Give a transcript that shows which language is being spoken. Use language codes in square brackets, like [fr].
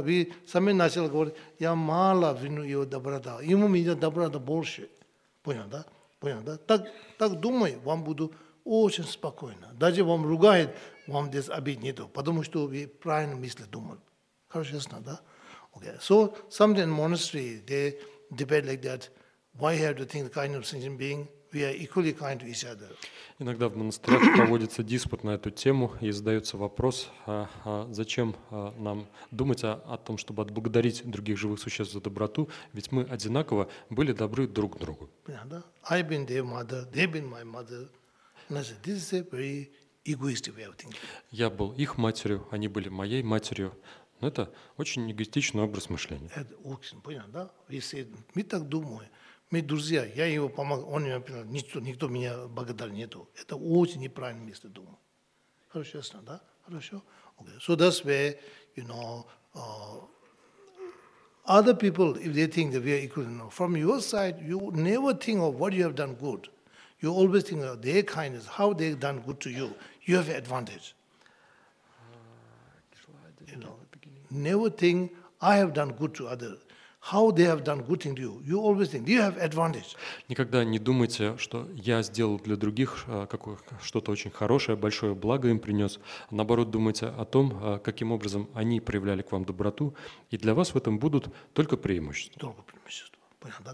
[ru] Вы сами начали говорить, я мало вину его доброта, ему меня доброта больше. Понял, да? Понял, да? Так думай, вам буду очень спокойно. Даже вам ругает, вам здесь обид нету, потому что вы правильно мысли думали. Хорошо, ясно, да? Okay. [en] So, sometimes in monastery, they debate like that, why have to think the kind of sentient being? We are equally kind to each other. [ru] Иногда в монастырях проводится диспут на эту тему и задается вопрос, зачем нам думать о том, чтобы отблагодарить других живых существ за доброту, ведь мы одинаково были добры друг к другу. [en] I've been their mother, they've been my mother. And I said, this is a very egoistic way of thinking. [ru] Я был их матерью, они были моей матерью. Но это очень эгоистичный образ мышления. Это очень, понятно, да? Если мы так думаем, мы друзья, я его помогаю, он мне помогает, никто меня благодарен, нету. Это очень неправильное место думать. Хорошо, ясно, да? Хорошо? Okay. [en] So that's where, you know, other people, if they think that we are equal, you know, from your side, you never think of what you have done good. You always think of their kindness, how they've done good to you. You have advantage. You know, never think, I have done good to others. How they have done good to you. You always think, you have advantage. [ru] Никогда не думайте, что я сделал для других какое, что-то очень хорошее, большое благо им принес. Наоборот, думайте о том, каким образом они проявляли к вам доброту. И для вас в этом будут только преимущества. Только преимущества. Понятно, да?